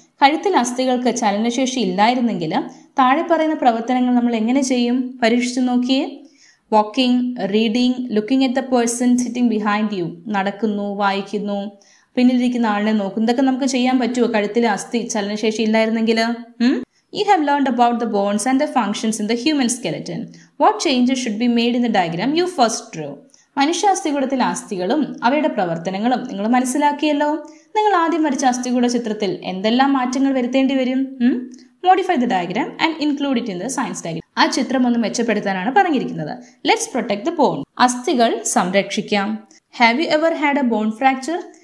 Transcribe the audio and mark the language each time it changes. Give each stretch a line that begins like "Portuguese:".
Malayalam: കഴുത്തിൽ അസ്ഥികൾക്ക് ചലനശേഷി ഇല്ലായിരുന്നെങ്കിൽ താഴെ പറയുന്ന പ്രവർത്തനങ്ങൾ നമ്മൾ എങ്ങനെ ചെയ്യും? പരീക്ഷിച്ചു നോക്കിയേ.
English: walking, reading, looking at the person sitting behind you,
Malayalam: നടക്കുന്നു, വായിക്കുന്നു, പിന്നിലിരിക്കുന്ന ആളിനെ നോക്കുന്നു, ഇതൊക്കെ നമുക്ക് ചെയ്യാൻ പറ്റുമോ കഴുത്തിലെ അസ്ഥി ചലനശേഷി ഇല്ലായിരുന്നെങ്കിൽ?
English: You have learned about the bones and the functions in the human skeleton. What changes should be made in the diagram you first drew?
Malayalam: മനുഷ്യാസ്ഥികൂടത്തിലെ അസ്ഥികളും അവയുടെ പ്രവർത്തനങ്ങളും നിങ്ങൾ മനസ്സിലാക്കിയല്ലോ. നിങ്ങൾ ആദ്യം വരച്ച അസ്ഥികൂട ചിത്രത്തിൽ എന്തെല്ലാം മാറ്റങ്ങൾ വരുത്തേണ്ടി വരും?
English: Modify the diagram and include it in the science diagram.
Malayalam: ആ ചിത്രം ഒന്ന് മെച്ചപ്പെടുത്താനാണ് പറഞ്ഞിരിക്കുന്നത്.
English: Let's protect the bone.
Malayalam: അസ്ഥികൾ സംരക്ഷിക്കാം.
English: Have you ever had a bone fracture?